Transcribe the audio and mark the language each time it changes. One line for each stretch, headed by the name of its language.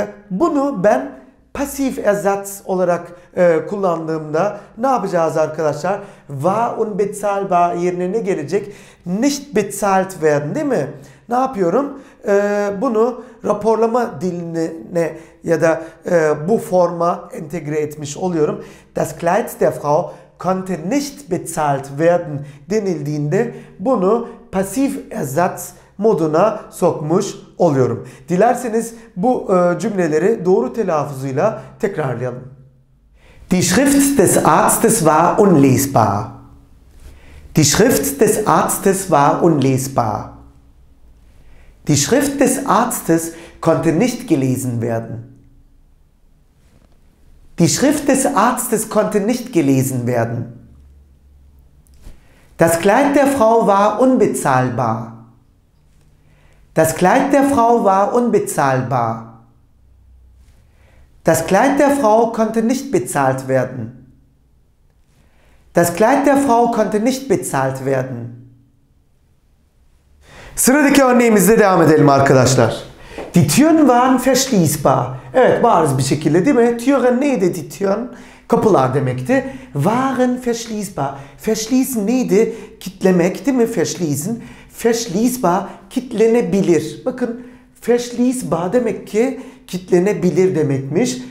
Turkish: Bunu ben pasif ersatz olarak kullandığımda ne yapacağız arkadaşlar?
German: War unbezahlbar
Turkish: yerine ne gelecek?
German: Nicht bezahlt werden
Turkish: değil mi? Ne yapıyorum? Bunu raporlama diline ya da bu forma entegre etmiş oluyorum.
German: Das Kleid der Frau konnte nicht bezahlt werden
Turkish: denildiğinde bunu pasif ersatz moduna sokmuş oluyorum. Dilerseniz bu cümleleri doğru telaffuzuyla tekrarlayalım.
German: Die Schrift des Arztes war unlesbar. Die Schrift des Arztes war unlesbar. Die Schrift des Arztes konnte nicht gelesen werden. Die Schrift des Arztes konnte nicht gelesen werden. Das Kleid der Frau war unbezahlbar. Das Kleid der Frau war unbezahlbar. Das Kleid der Frau konnte nicht bezahlt werden. Das Kleid der Frau konnte nicht bezahlt werden.
Turkish: Sıradaki örneğimizle devam edelim arkadaşlar.
German: Die Türen waren verschließbar.
Turkish: Evet, bariz bir şekilde değil mi? Türen neydi
German: die Türen?
Turkish: Kapılar demekti.
German: Waren verschließbar.
Turkish: Verschließen neydi? Kitlemek değil mi? Verschließen. Verschließbar, kitlenebilir. Bakın, verschließbar demek ki kitlenebilir demekmiş.